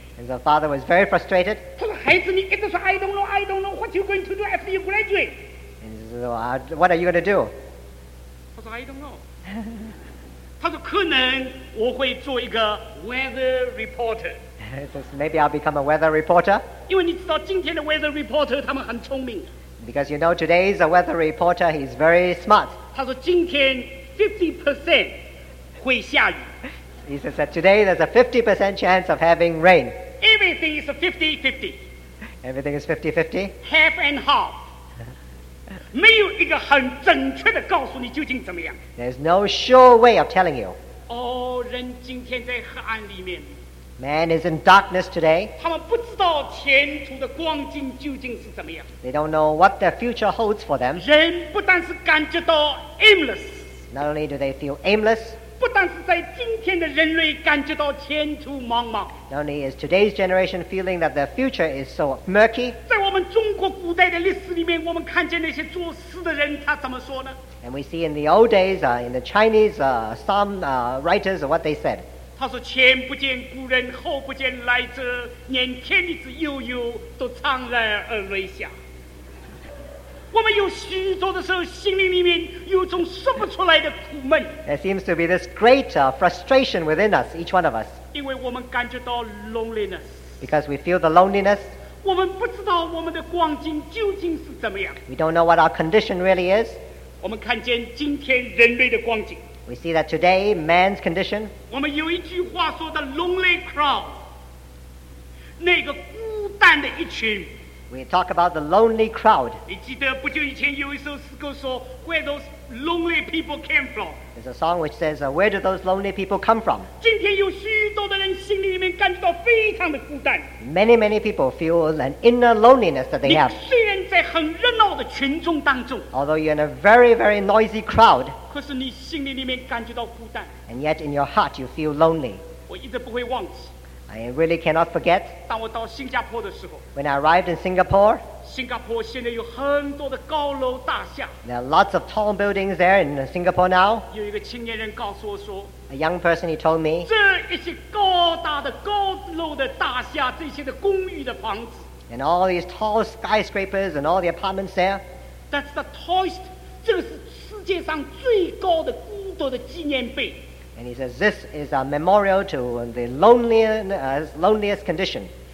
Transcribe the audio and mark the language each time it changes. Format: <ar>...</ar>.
<en>And the father was very frustrated. I don't know. What are you going to do after you graduate? And he says, what are you going to do? I don't know.</en> <zh>他说可能我会做一个 weather reporter.</zh> <en>Maybe I'll become a weather reporter.</en> <zh>因为你知道今天的 weather reporter 他们很聪明。</zh> <en>Because you know today's a weather reporter, he's very smart.</en> <zh>他说今天 50% 会下雨。</zh> <en>He says that today there's a 50% chance of having rain. Everything is 50-50. Everything is 50-50? Half and half.</en> <zh>没有一个很准确的告诉你究竟怎么样。</zh> <en>There's no sure way of telling you.</en> <zh>哦，人今天在黑暗里面。</zh> <en>Man is in darkness today.</en> <zh>他们不知道前途的光景究竟是怎么样。</zh> <en>They don't know what their future holds for them.</en> <zh>人不但是感觉到 aimless.</zh> <en>Not only do they feel aimless.</en> <zh>不但是在今天的人类感觉到前途茫茫。</zh> <en>Not only is today's generation feeling that their future is so murky.</en> <zh>在我们中国古代的历史里面，我们看见那些作诗的人，他怎么说呢？</zh> <en>And we see in the old days, in the Chinese, writers, what they said.</en> <zh>他说前不见古人，后不见来者，念天地之悠悠，都怅然而泪下。我们有许多的时候，心灵里面有种说不出来的苦闷。</zh> <en>There seems to be this great frustration within us, each one of us.</en> <zh>因为我们感觉到 loneliness.</zh> <en>Because we feel the loneliness.</en> <zh>我们不知道我们的光景究竟是怎么样。</zh> <en>We don't know what our condition really is.</en> <zh>我们看见今天人类的光景。</zh> <en>We see that today, man's condition.</en> <zh>我们有一句话说的 lonely crowd. 那个孤单的一群。</zh> <en>We talk about the lonely crowd.</en> <zh>你记得不久以前有一首诗歌说</zh> <en>Where those lonely people came from? There's a song which says Where do those lonely people come from?</en> <zh>今天有许多的人心里面感觉到非常的孤单。</zh> <en>Many people feel an inner loneliness that they have.</en> <zh>你虽然在很热闹的群众当中。</zh> <en>Although you're in a very very noisy crowd.</en> <zh>可是你心里面感觉到孤单。</zh> <en>And yet in your heart you feel lonely.</en> <zh>我一直不会忘记。</zh> <en>I really cannot forget.</en> <zh>当我到新加坡的时候,</zh> <en>when I arrived in Singapore,</en> <zh>新加坡现在有很多的高楼大厦,</zh> <en>there are lots of tall buildings there in Singapore now.</en> <zh>有一个青年人告诉我说,</zh> <en>a young person he told me,</en> <zh>这一些高大的高楼的大厦, 这些的公寓的房子,</zh> <en>and all these tall skyscrapers and all the apartments there, that's the tallest,</en> <zh>这个是世界上最高的孤独的纪念碑。</zh> <en>And he says, this is a memorial to the loneliest condition.</en>